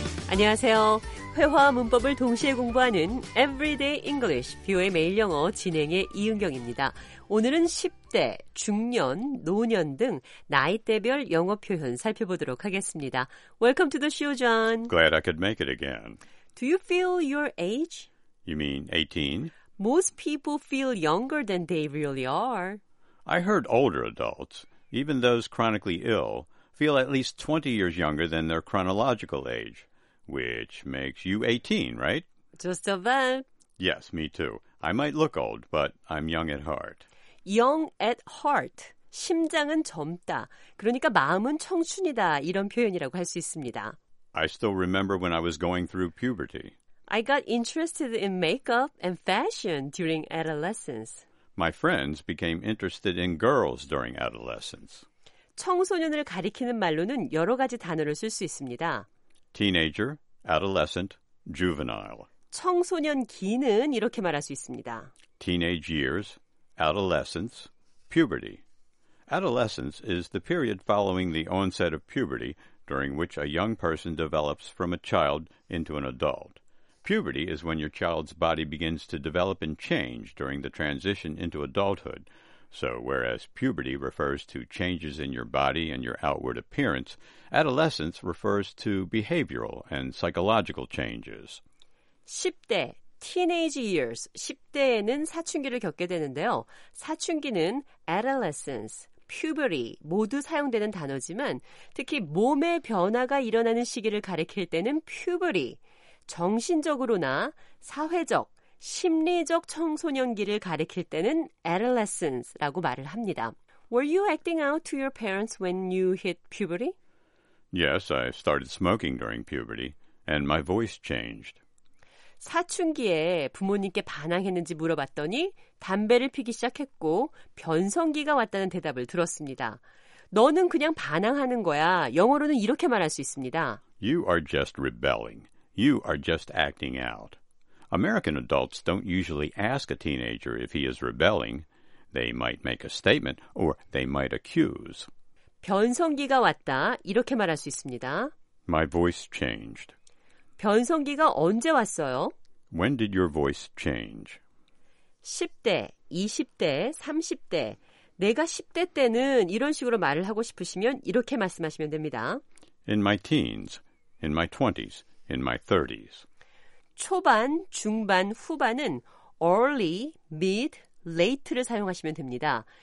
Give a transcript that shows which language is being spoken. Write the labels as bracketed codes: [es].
[ko] 안녕하세요. 회화 문법을 동시에 공부하는 Everyday English, 뷰의 매일 영어 진행의 이은경입니다. 오늘은 10대, 중년, 노년 등 나이대별 영어 표현 살펴보도록 하겠습니다. [en] Welcome to the show, John. Glad I could make it again. Do you feel your age? You mean 18? Most people feel younger than they really are. I heard older adults, even those chronically ill, feel at least 20 years younger than their chronological age. Which makes you 18, right? Just about. Yes, me too. I might look old, but I'm young at heart. Young at heart. [ko] 심장은 젊다. 그러니까 마음은 청춘이다. 이런 표현이라고 할 수 있습니다. [en] I still remember when I was going through puberty. I got interested in makeup and fashion during adolescence. My friends became interested in girls during adolescence. [ko] 청소년을 가리키는 말로는 여러 가지 단어를 쓸 수 있습니다. [en] Teenager, adolescent, juvenile. [ko] 청소년기는 이렇게 말할 수 있습니다. [en] Teenage years, adolescence, puberty. Adolescence is the period following the onset of puberty during which a young person develops from a child into an adult. Puberty is when your child's body begins to develop and change during the transition into adulthood. So, whereas puberty refers to changes in your body and your outward appearance, adolescence refers to behavioral and psychological changes. [ko] 10대, [en] teenage years, [ko] 10대에는 사춘기를 겪게 되는데요. 사춘기는 adolescence, puberty 모두 사용되는 단어지만 특히 몸의 변화가 일어나는 시기를 가리킬 때는 puberty, 정신적으로나 사회적, 심리적 청소년기를 가리킬 때는 adolescence라고 말을 합니다. [en] Were you acting out to your parents when you hit puberty? Yes, I started smoking during puberty, and my voice changed. [ko] 사춘기에 부모님께 반항했는지 물어봤더니 담배를 피기 시작했고 변성기가 왔다는 대답을 들었습니다. 너는 그냥 반항하는 거야. 영어로는 이렇게 말할 수 있습니다. [en] You are just rebelling. You are just acting out. American adults don't usually ask a teenager if he is rebelling. They might make a statement or they might accuse. [ko] 변성기가 왔다. 이렇게 말할 수 있습니다. [en] My voice changed. [ko] 변성기가 언제 왔어요? [en] When did your voice change? [ko] 10대, 20대, 30대. 내가 10대 때는 이런 식으로 말을 하고 싶으시면 이렇게 말씀하시면 됩니다. [en] In my teens, in my 20s, in my 30s. [ko] 초반, 중반, 후반은 [en] early, mid, late [ko] 를 사용하시면 됩니다.